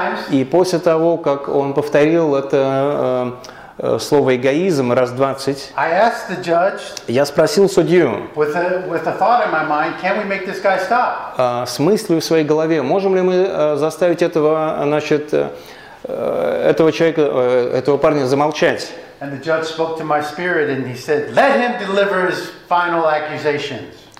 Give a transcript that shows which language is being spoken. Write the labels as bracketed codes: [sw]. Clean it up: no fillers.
[ru] И после того, как он повторил это слово «эгоизм» раз 20. [en] I asked the judge, [ru] я спросил судью. [en] With a thought in my mind, can we make this guy stop? [ru] С мыслью в своей голове, можем ли мы заставить этого человека, этого парня замолчать? [en] And the judge spoke to my spirit and he said, let him deliver his final accusations.